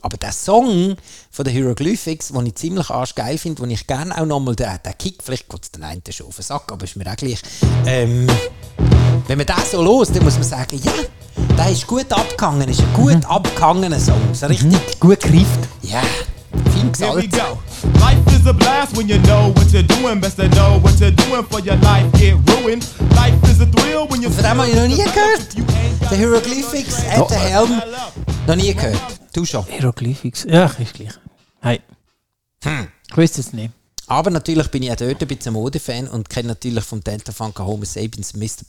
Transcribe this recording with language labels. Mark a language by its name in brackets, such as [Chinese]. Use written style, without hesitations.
[German] Aber der Song von den Hieroglyphics, den ich ziemlich arschgeil finde, den ich gerne auch nochmal den Kick, vielleicht geht es den einen schon auf den Sack, aber ist mir auch gleich. Wenn man das so hört, dann muss man sagen, ja, der ist gut abgegangen, ist ein gut abgegangener Song. So richtig gut gerieft. Ja, viel gesalzt. [English] Life is a blast when you know what you're doing. Best to know what you're doing for your life get ruined. Life is a thrill when you're... [German] Von dem habe ich noch nie gehört. The Hieroglyphics at the Helm. Noch nie gehört. Du schon. Hieroglyphics. Ja, ist gleich. Hey. Ich wüsste es nicht. Aber natürlich bin ich auch dort ein bisschen Mode-Fan und kenne natürlich vom Delta Funky Homo Sapiens Mr.